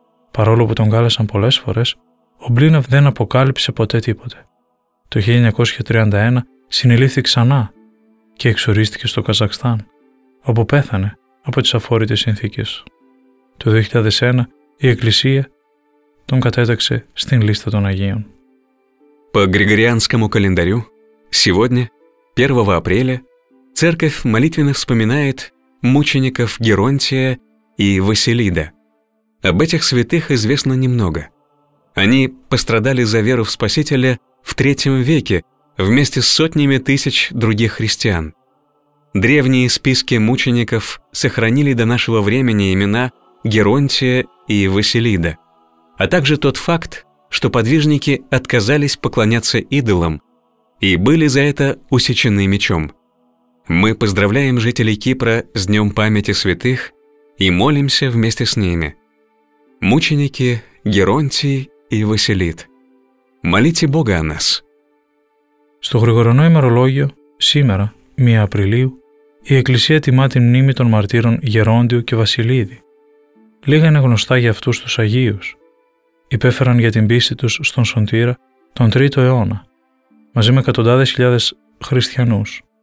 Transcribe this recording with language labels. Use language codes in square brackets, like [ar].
[el] Παρόλο που τον κάλεσαν πολλές φορές, ο Μπλίνοφ δεν αποκάλυψε ποτέ τίποτε. Το 1931 συνελήφθη ξανά και εξορίστηκε στο Καζακστάν, όπου πέθανε από τις αφόρητες συνθήκες. Το 2001 η Εκκλησία τον κατέταξε στην λίστα των Αγίων. [ru] По Григорианскому календарю, сегодня, 1 апреля, церковь молитвенно вспоминает мучеников Геронтия и Василида. Об этих святых известно немного. Они пострадали за веру в Спасителя в III веке вместе с сотнями тысяч других христиан. Древние списки мучеников сохранили до нашего времени имена Геронтия и Василида, а также тот факт, что подвижники отказались поклоняться идолам и были за это усечены мечом. Мы поздравляем жителей Кипра с Днем памяти святых и молимся вместе с ними. Мученики Геронтий и Василит. Молите Бога о нас. [el] Στο Γρηγοριανό ημερολόγιο, σήμερα, 1 Απριλίου, η Εκκλησία τιμά την μνήμη των μαρτύρων Γερόντιου και Βασιλίδη. Λίγα είναι γνωστά για αυτούς τους Αγίους. Υπέφεραν για την πίστη τους στον Σωτήρα τον 3ο αιώνα, μαζί με εκατοντάδες χιλιάδες χριστιανούς.